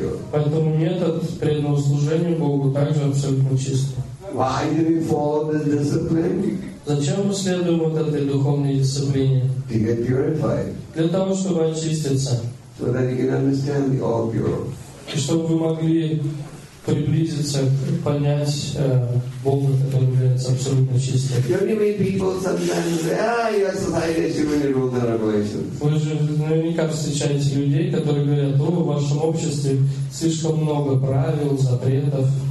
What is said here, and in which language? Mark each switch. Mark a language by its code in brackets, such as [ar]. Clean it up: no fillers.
[ru] Поэтому метод преданного служения Богу также абсолютно чистый. [en] Why do we follow this discipline? [ru] Зачем мы следуем вот этой духовной дисциплине? [en] To get purified. [ru] Для того, чтобы очиститься. [en] So that you can understand the all pure. [ru] И чтобы вы могли приблизиться, понять Бога, который является абсолютно чистым. [en] You only meet people sometimes say, your society is human rules and regulations. [ru] Вы же наверняка встречаете людей, которые говорят, в вашем обществе слишком много правил, запретов.